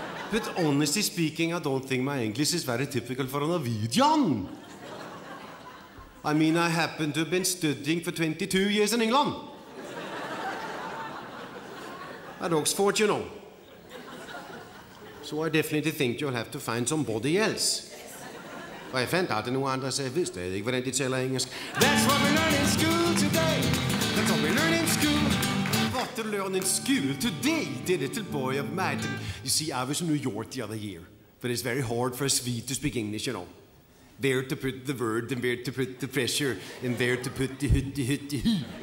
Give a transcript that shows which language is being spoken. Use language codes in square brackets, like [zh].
[en] But honestly speaking, I don't think my English is very typical for an Norwegian. I mean, I happen to have been studying for 22 years in England. That looks fortunate. So I definitely think you'll have to find somebody else. [da] Og jeg fandt aldrig nogen andre, så jeg ved stadig ikke, hvordan de taler engelsk. [en] That's what we learn in school today. That's what we learn in school. What we learn in school today, the little boy of mine. You see, I was in New York the other year. But it's very hard for a Swede to speak English, you know. Where to put the word and where to put the pressure and where to put the hutty hutty hu.